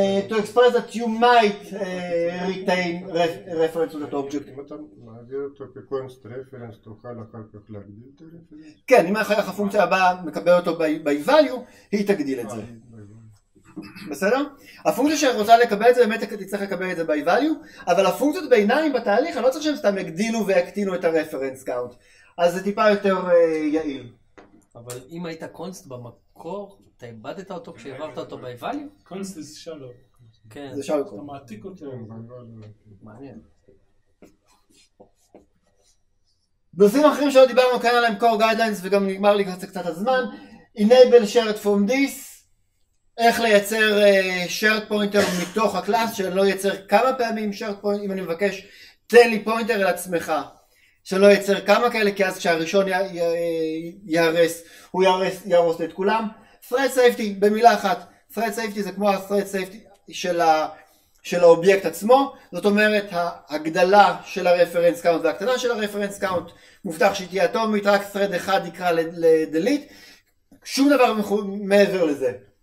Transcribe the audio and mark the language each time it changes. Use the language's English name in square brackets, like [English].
[English] To express that you might retain reference to the object. [Hebrew] מעביר אותו כקונסט רפרנס, תוכל אחר כך להגדיל את הרפרנס? כן, אם אחר כך הפונקציה הבאה מקבל אותו ב-value, היא תגדיל את זה. בסדר? הפונקציה שרוצה לקבל את זה, באמת תצטרך לקבל את זה ב-value, אבל הפונקציות ביניים בתהליך, אני לא צריך שהם סתם יגדילו ויקטינו את הרפרנס קאונט. אז זה טיפה יותר יעיל. אבל אם היית קונסט במקור, אתה איבדת אותו כשהעברת אותו ב-value? קונסט זה שלו. כן. זה שלו קונסט. אתה מעתיק אותו. מעניין. נושאים אחרים שלא דיברנו כאן עליהם, core guidelines, וגם נגמר לי קצת הזמן. [English] Enable shared from this. [Hebrew] איך לייצר shared pointer מתוך הקלאס, שלא ייצר כמה פעמים shared pointer, אם אני מבקש, תן לי פוינטר אל עצמך. שלא ייצר כמה כאלה, כי אז כשהראשון יהרס, הוא יהרוס את כולם. Threat safety, במילה אחת, threat safety זה כמו ה-threat safety של של האובייקט עצמו, זאת אומרת ההגדלה של הרפרנס קאונט והקטנה של הרפרנס קאונט, מובטח שהיא תהיה אטומית, רק thread אחד יקרא לדליט, שום דבר מעבר לזה.